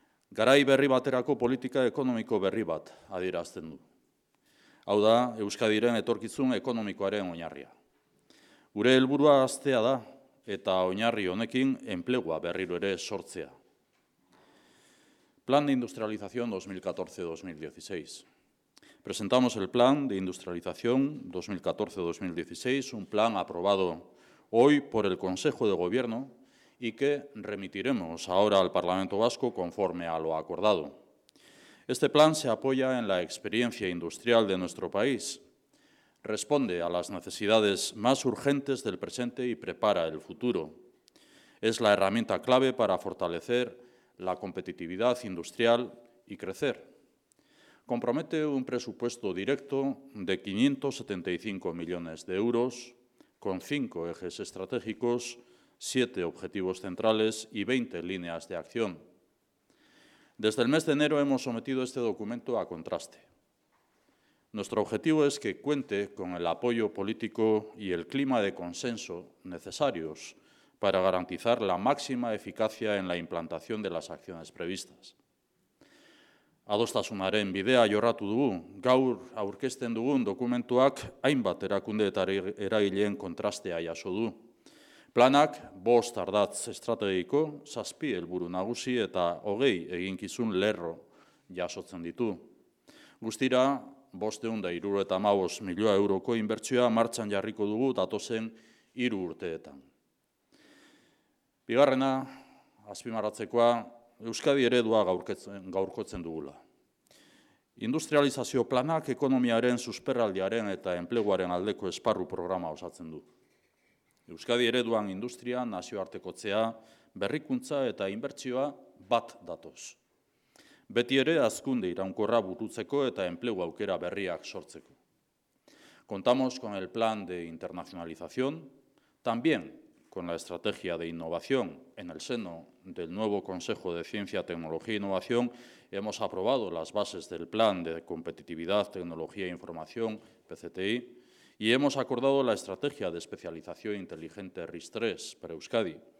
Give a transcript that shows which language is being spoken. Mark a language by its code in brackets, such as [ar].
[eu] Garai berri baterako politika ekonomiko berri bat adierazten du. Hau da, Euskadiren etorkizun ekonomikoaren oinarria. Gure helburua aztea da, eta oinarri honekin enplegua berriro ere sortzea. [es] Plan de industrialización 2014-2016. Presentamos el Plan de Industrialización 2014-2016, un plan aprobado hoy por el Consejo de Gobierno y que remitiremos ahora al Parlamento Vasco conforme a lo acordado. Este plan se apoya en la experiencia industrial de nuestro país, responde a las necesidades más urgentes del presente y prepara el futuro. Es la herramienta clave para fortalecer la competitividad industrial y crecer. Compromete un presupuesto directo de 575 millones de euros, con 5 ejes estratégicos, 7 objetivos centrales y 20 líneas de acción. Desde el mes de enero hemos sometido este documento a contraste. Nuestro objetivo es que cuente con el apoyo político y el clima de consenso necesarios para garantizar la máxima eficacia en la implantación de las acciones previstas. [eu] Adostasunaren bidea jorratu dugu, gaur aurkezten dugun dokumentuak hainbat erakunde eta eragileen kontrastea jaso du. Planak 5 ardatz estrategiko, 7 helburu nagusi eta 20 eginkizun lerro jasotzen ditu. Guztira, 575.000 euroko inbertsioa martxan jarriko dugu datozen 3 urteetan. Bigarrena, azpimarratzekoa, Euskadi eredua gaurkotzen dugula. Industrializazio planak ekonomiaren susperraldiaren eta enpleguaren aldeko esparru programa osatzen du. Euskadi ereduan industria, nazioartekotzea, berrikuntza eta inbertsioa bat datoz. Beti ere azkunde iraunkorra burutzeko eta enplegu aukera berriak sortzeko. [es] Contamos con el plan de internacionalización, también con la estrategia de innovación. En el seno del nuevo Consejo de Ciencia, Tecnología e Innovación hemos aprobado las bases del Plan de Competitividad, Tecnología e Información, PCTI, y hemos acordado la Estrategia de Especialización Inteligente RIS3 para Euskadi.